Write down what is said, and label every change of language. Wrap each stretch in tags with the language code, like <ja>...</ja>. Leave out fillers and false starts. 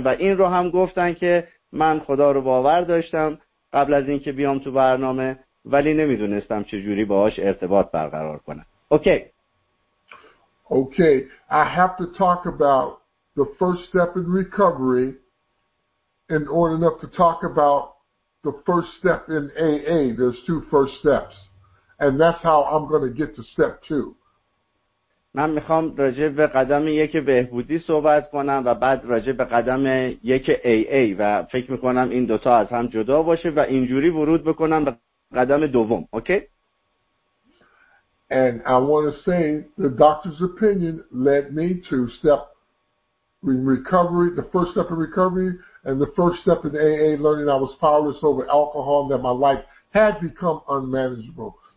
<fa>و این رو هم گفتن که من خدا رو باور داشتم قبل از اینکه بیام تو برنامه، ولی نمیدونستم چجوری باهاش ارتباط برقرار کنم.</fa> <en>Okay. I have to talk about the first step in recovery in order enough to talk about the first step in AA. There's two first steps. And that's how I'm going to get to step two.</en> <fa>من میخوام راجع به قدم یک بهبودی صحبت کنم و بعد راجع به قدم یک AA و فکر میکنم این دوتا از هم جدا باشه و اینجوری ورود بکنم به قدم دوم.</fa> <en>Okay? And I want to say the doctor's opinion led me to step in recovery, the first step in recovery and the first step in AA, learning I was powerless over alcohol and that my life had become unmanageable.</en>